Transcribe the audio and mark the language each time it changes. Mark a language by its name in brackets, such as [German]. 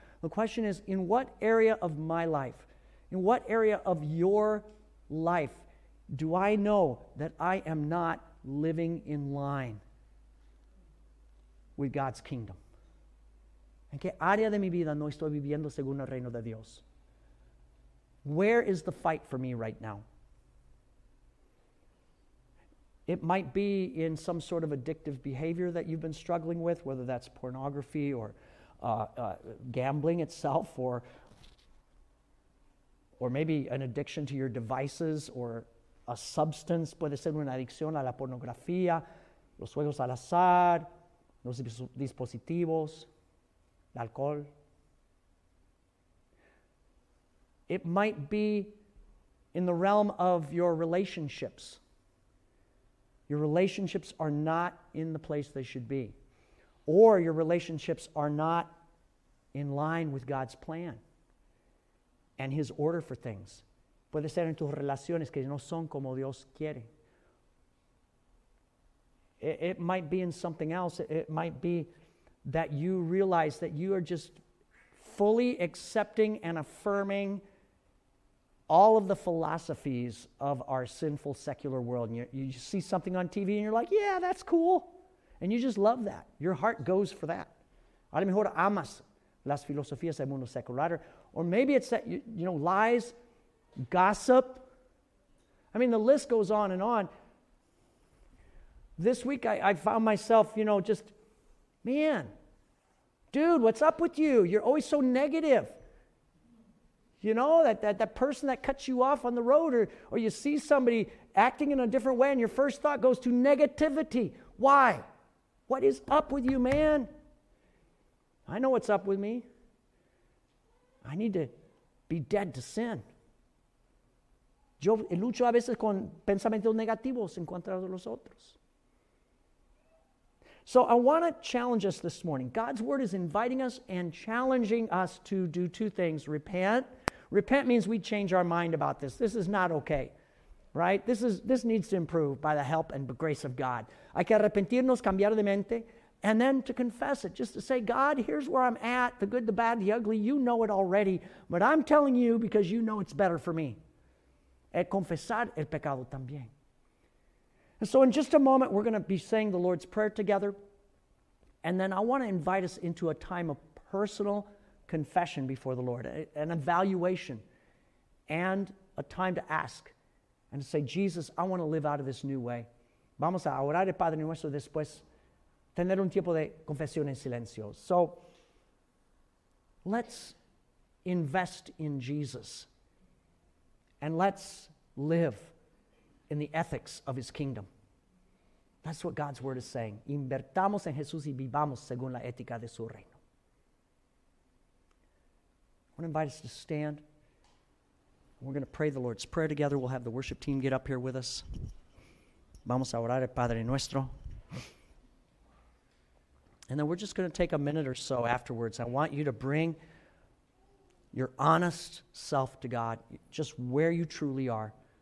[English] The question is, in what area of my life, in what area of your life, do I know that I am not living in line with God's kingdom? [Spanish] ¿En qué área de mi vida no estoy viviendo según el reino de Dios? [English] Where is the fight for me right now? It might be in some sort of addictive behavior that you've been struggling with, whether that's pornography or gambling itself, or maybe an addiction to your devices or a substance. [Spanish] Puede ser una adicción a la pornografía, los juegos al azar, los dispositivos, el alcohol. [English] It might be in the realm of your relationships. Your relationships are not in the place they should be. Or your relationships are not in line with God's plan and His order for things. [Spanish] Puede ser en tus relaciones que no son como Dios quiere. [English] It might be in something else. It might be that you realize that you are just fully accepting and affirming all of the philosophies of our sinful secular world. And you see something on TV and you're like, yeah, that's cool. And you just love that. Your heart goes for that. [Spanish] A lo mejor amas las filosofías del mundo secular. [English] Or maybe it's that, you know, lies, gossip. I mean, the list goes on and on. This week I found myself, you know, just, man, dude, what's up with you? You're always so negative. You know, that person that cuts you off on the road, or you see somebody acting in a different way and your first thought goes to negativity. Why? What is up with you, man? I know what's up with me. I need to be dead to sin. [Spanish] Yo lucho a veces con pensamientos negativos en contra de los otros. [English] So I want to challenge us this morning. God's word is inviting us and challenging us to do two things. Repent. Repent means we change our mind about this. This is not okay. Right? This needs to improve by the help and grace of God. [Spanish] Hay que arrepentirnos, cambiar de mente. [English] And then to confess it, just to say, God, here's where I'm at, the good, the bad, the ugly, you know it already, but I'm telling you because you know it's better for me. [Spanish] El confesar el pecado también. [English] And so in just a moment, we're going to be saying the Lord's Prayer together, and then I want to invite us into a time of personal confession before the Lord, an evaluation, and a time to ask, and to say, Jesus, I want to live out of this new way. [Spanish] Vamos a orar el Padre Nuestro después. Tener un tiempo de confesión en silencio. [English] So, let's invest in Jesus and let's live in the ethics of His kingdom. That's what God's word is saying. [Spanish] Invertamos en Jesús y vivamos según la ética de su reino. [English] I want to invite us to stand. We're going to pray the Lord's Prayer together. We'll have the worship team get up here with us. [Spanish] Vamos a orar el Padre Nuestro. [English] And then we're just going to take a minute or so afterwards. I want you to bring your honest self to God, just where you truly are.